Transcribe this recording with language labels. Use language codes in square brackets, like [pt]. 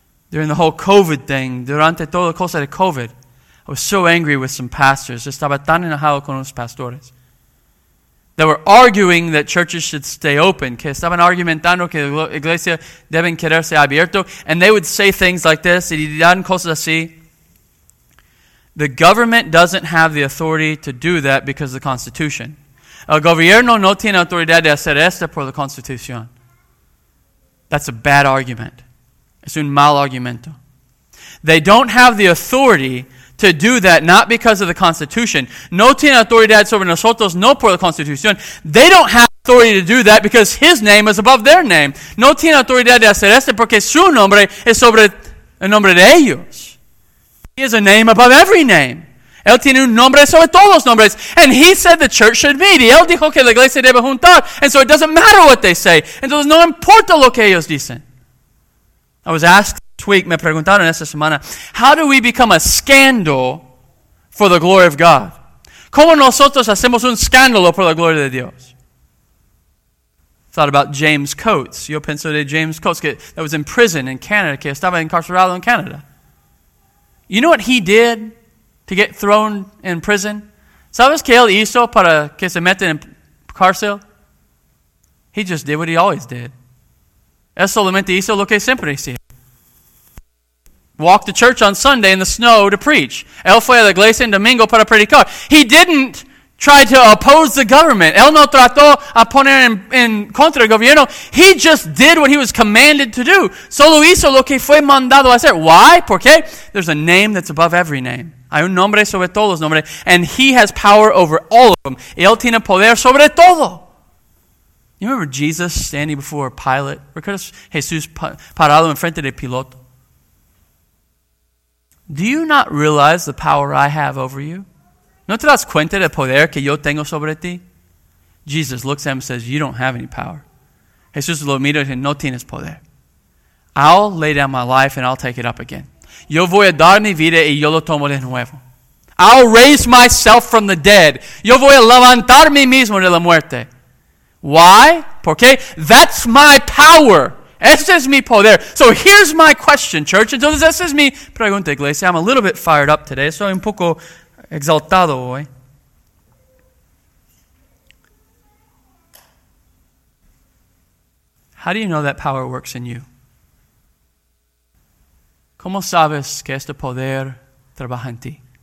[en] During the whole COVID thing, [es] durante toda la cosa de COVID, [en] I was so angry with some pastors. [es] Estaba tan enojado con los pastores. [en] They were arguing that churches should stay open. [es] Que estaban argumentando que la iglesia deben quedarse abierto. [en] And they would say things like this. [es] Y dan cosas así. [en] The government doesn't have the authority to do that because of the Constitution. [es] El gobierno no tiene autoridad de hacer esto por la Constitución. [en] That's a bad argument. [es] Es un mal argumento. [en] They don't have the authority to do that, not because of the Constitution. [es] No tiene autoridad sobre nosotros, no por la Constitución. [en] They don't have authority to do that because his name is above their name. [es] No tiene autoridad de hacer esto porque su nombre es sobre el nombre de ellos. [en] He has a name above every name. [es] Él tiene un nombre sobre todos los nombres. [en] And he said the church should meet. [es] Y él dijo que la iglesia debe juntar. [en] And so it doesn't matter what they say. [es] Entonces no importa lo que ellos dicen. [en] I was asked this week, [es] me preguntaron esta semana, [en] how do we become a scandal for the glory of God? [es] ¿Cómo nosotros hacemos un escándalo por la gloria de Dios? [en] Thought about James Coates. [es] Yo pensé de James Coates [en] that was in prison in Canada, [es] que estaba incarcerado [en] in Canada. You know what he did to get thrown in prison? [es] ¿Sabes qué él hizo para que se meten en cárcel? [en] He just did what he always did. [es] Él solamente hizo lo que siempre hacía. [en] Walked to church on Sunday in the snow to preach. [es] Él fue a la iglesia en domingo para predicar. [en] He didn't tried to oppose the government. [es] Él no trató a poner en contra el gobierno. [en] He just did what he was commanded to do. [es] Solo hizo lo que fue mandado a hacer. [en] Why? [es] ¿Por qué? [en] There's a name that's above every name. [es] Hay un nombre sobre todos los nombres. [en] And he has power over all of them. [es] Y él tiene poder sobre todo. [en] You remember Jesus standing before Pilate? [es] Recuerdas Jesús parado en frente de Piloto? [en] Do you not realize the power I have over you? [es] ¿No te das cuenta del poder que yo tengo sobre ti? [en] Jesus looks at him and says, you don't have any power. [es] Jesús lo mira y dice, no tienes poder. [en] I'll lay down my life and I'll take it up again. [es] Yo voy a dar mi vida y yo lo tomo de nuevo. [en] I'll raise myself from the dead. [es] Yo voy a levantar mi mismo de la muerte. [en] Why? [es] ¿Por qué? [en] That's my power. [es] Ese es mi poder. [en] So here's my question, church. [es] Entonces, ese es mi pregunta, iglesia. [en] I'm a little bit fired up today. [es] Soy un poco exaltado hoy. [en] How do you know that power works in you? [es] ¿Cómo sabes que este poder trabaja en ti?